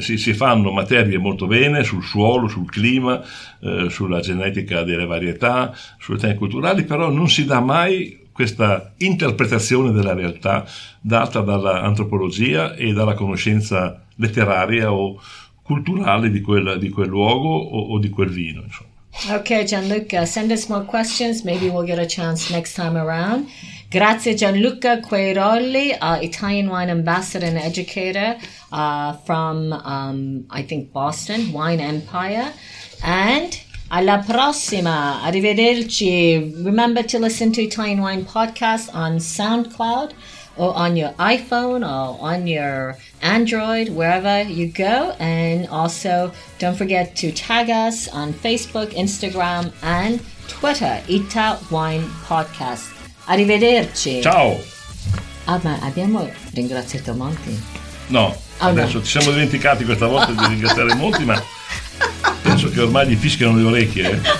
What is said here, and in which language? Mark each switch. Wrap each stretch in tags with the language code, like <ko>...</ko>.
<it>si fanno materie molto bene sul suolo, sul clima, sulla genetica delle varietà, sulle tecniche culturali, però non si dà mai questa interpretazione della realtà data dall'antropologia e dalla conoscenza letteraria o culturale di quel luogo o di quel vino, insomma.</it> <en>Ok Gianluca, send us more questions, maybe we'll get a chance next time around. Grazie Gianluca Queiroli, Italian wine ambassador and educator from I think Boston, Wine Empire.</en> <it>And alla prossima, arrivederci.</it> <en>Remember to listen to Italian Wine Podcast on SoundCloud or on your iPhone or on your Android, wherever you go. And also don't forget to tag us on Facebook, Instagram and Twitter, Ita Wine Podcast.</en> <it>Arrivederci. Ciao. Ah, ma abbiamo ringraziato Monti? No, adesso no. Ci siamo dimenticati questa volta di ringraziare Monti, ma penso che ormai gli fischiano le orecchie.</it>